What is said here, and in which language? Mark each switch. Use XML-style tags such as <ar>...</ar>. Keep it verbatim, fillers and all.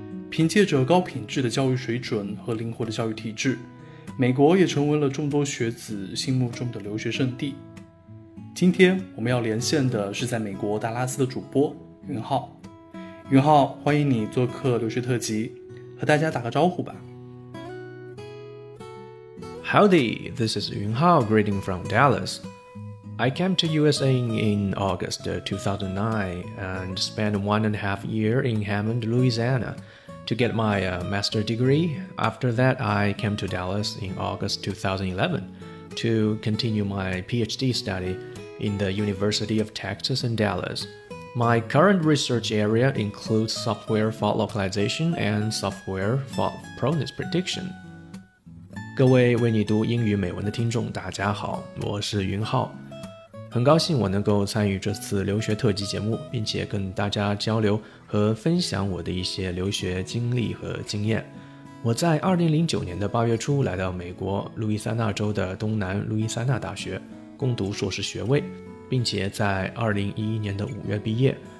<zh>凭借着高品质的教育水准和灵活的教育体制，美国也成为了众多学子心目中的留学圣地。今天我们要连线的是在美国达拉斯的主播云浩。云浩，欢迎你做客留学特辑，和大家打个招呼吧。</zh> <en>Howdy, this is Yun Hao greeting from Dallas. I came to U S A in August two thousand nine and spent one and a half year in Hammond, Louisiana. To get my uh, master's degree. After that, I came to Dallas in August two thousand eleven to continue my PhD study in the University of Texas in Dallas. My current research area includes software fault localization and software fault proneness prediction.</en> <zh>各位为你读英语美文的听众，大家好，我是云浩。很高兴我能够参与这次留学特辑节目，并且跟大家交流和分享我的一些留学经历和经验。我在二零零九年的八月初来到美国路易斯安那州的东南路易斯安那大学攻读硕士学位，并且在二零一一年的五月毕业。</zh>